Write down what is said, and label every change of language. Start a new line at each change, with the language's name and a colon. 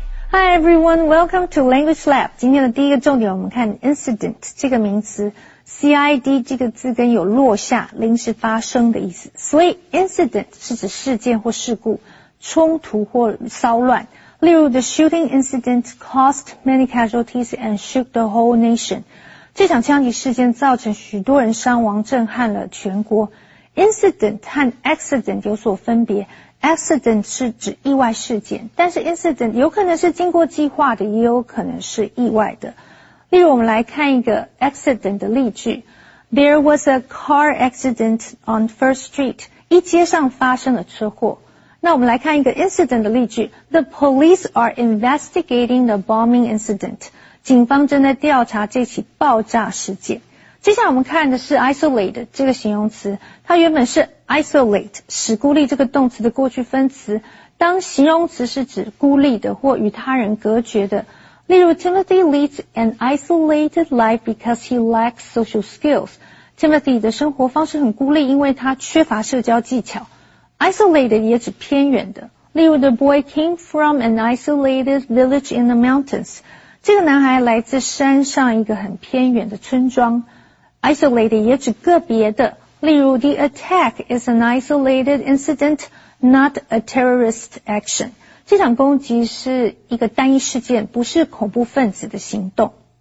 English: Hi everyone, welcome to Language Lab.
Chinese: 今天的第一个重点我们看 incident 这个名词 CID 这个字根有落下临时发生的意思。所以 incident 是指事件或事故冲突或骚乱。
English: 例如 the shooting incident caused many casualties and shook the whole nation.
Chinese: 这场枪击事件造成许多人伤亡震撼了全国。 Incident 和 accident 有所分别。Accident 是指意外事件，但是 incident 有可能是经过计划的，也有可能是意外的。例如我们来看一个 accident 的例句。
English: There was a car accident on First Street.
Chinese: 一街上发生了车祸。那我们来看一个 incident 的例句。
English: The police are investigating the bombing incident.
Chinese: 警方正在调查这起爆炸事件。接下来我们看的是 isolate 这个形容词，它原本是isolate, 使孤立这个动词的过去分词。当形容词是指孤立的或与他人隔绝的。
English: 例如 Timothy leads an isolated life because he lacks social skills.
Chinese: Timothy 的生活方式很孤立因为他缺乏社交技巧。 Isolated 也指偏远的。
English: 例如 The boy came from an isolated village in the mountains.
Chinese: 这个男孩来自山上一个很偏远的村庄。 Isolated 也指个别的。
English: 例如 The attack is an isolated incident, not a terrorist action.
Chinese: 这场攻击是一个单一事件，不是恐怖分子的行动。